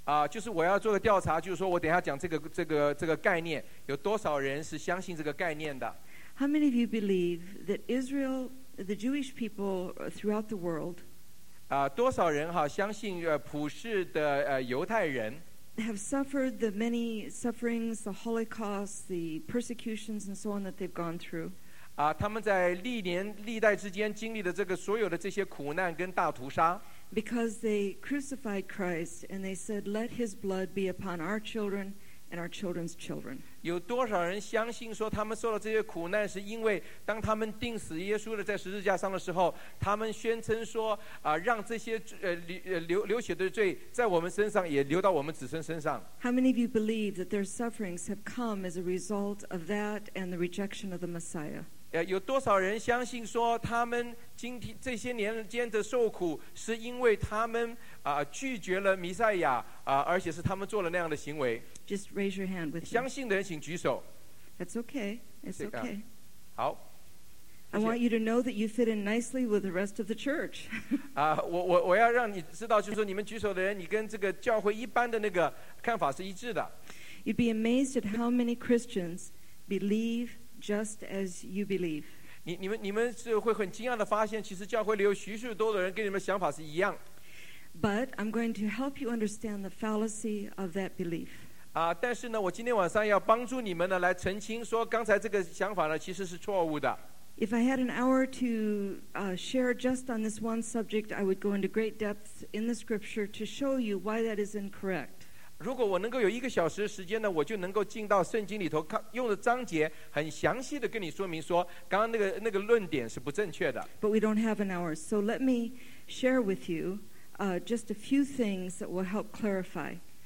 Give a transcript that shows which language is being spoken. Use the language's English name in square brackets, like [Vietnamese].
[Chinese] 就是我要做个调查，就是说我等一下讲这个概念，有多少人是相信这个概念的 [English] ？How many of you believe that Israel, the Jewish people throughout the world? [Chinese] 多少人哈相信普世的犹太人？ [English] Have suffered the many sufferings, the Holocaust, the persecutions, and so on that they've gone through. [Chinese] 他们在历年历代之间经历的这个所有的这些苦难跟大屠杀。 [English] Because they crucified Christ and they said, "Let His blood be upon our children and our children's children. [Chinese] 有多少人相信说他们受了这些苦难是因为当他们钉死耶稣了在十字架上的时候他们宣称说、让这些、流血的罪在我们身上也流到我们子孙身上。 [English] How many of you believe that their sufferings have come as a result of that and the rejection of the Messiah? [Chinese] 有多少人相信说他们今天这些年间的受苦是因为他们、拒绝了弥赛亚、而且是他们做了那样的行为。 [English] Just raise your hand with me. [Chinese] 相信的人请举手。 [English] That's okay. It's okay. [Chinese] 好。 [English] I want you to know that you fit in nicely with the rest of the church. [Chinese] 我要让你知道，就是说你们举手的人，你跟这个教会一般的那个看法是一致的。 [English] You'd be amazed at how many Christians believe just as you believe. [Chinese] 你们是会很惊讶的发现，其实教会里有许许多的人跟你们想法是一样。 [English] But I'm going to help you understand the fallacy of that belief. [Chinese] 但是呢我今天晚上要帮助你们呢来澄清说刚才这个想法呢其实是错误的。 [English] If I had an hour to、share just on this one subject I would go into great depth in the scripture to show you why that is incorrect. [Chinese] 如果我能够有一个小时的时间呢我就能够进到圣经里头用的章节很详细的跟你说明说刚刚那个论点是不正确的。 [English] But we don't have an hour so let me share with you、just a few things that will help clarify.